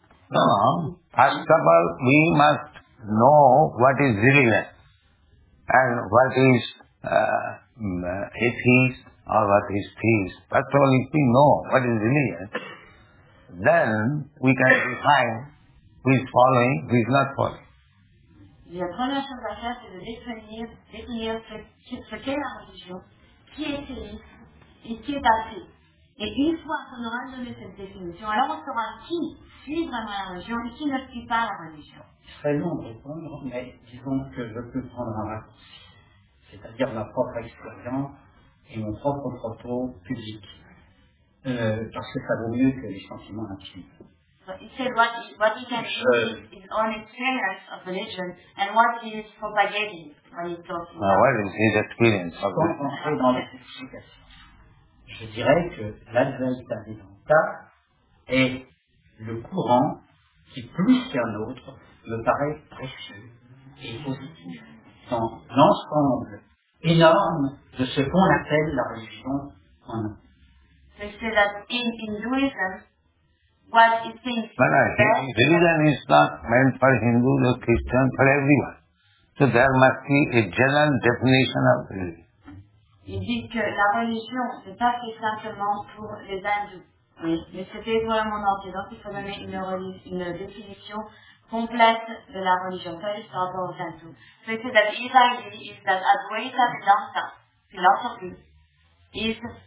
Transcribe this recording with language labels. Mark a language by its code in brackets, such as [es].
[en] No, first of all, we must know what is religion and what is atheist or what is theist. First of all, if we know what is religion, then we can define who is following, who is not following. [fr] La première chose à faire, c'est de définir ce qu'est la religion, qui est théiste et qui est athée. Et une fois qu'on aura donné cette définition, alors on saura qui suit vraiment la religion et qui ne suit pas la religion. Très long de répondre, mais disons que je peux prendre un raccourci, c'est-à-dire ma propre expérience et mon propre propos public, parce que ça vaut mieux que les sentiments intimes. [en] He said what he can do is his own experience of religion and what he is propagating when he's talking about. What is his experience? [fr] Quand on entre dans les explications, je dirais que l'Advaita Vedanta est le courant qui, plus qu'un autre, me paraît précieux et positif dans l'ensemble énorme de ce qu'on appelle la religion en nous. [en] So he said that in Hinduism, what it thinks. But religion is not meant for Hindus or Christians, for everyone. So there must be a general definition of religion. [fr] Il dit que la religion n'est pas fait simplement pour les Hindous. Oui. Mais c'était pour le monde entier. Donc il faut donner une définition complète de la religion. Pas juste par rapport aux Hindous. [en] So he said that his idea is that Advaita Vedanta, philosophy, is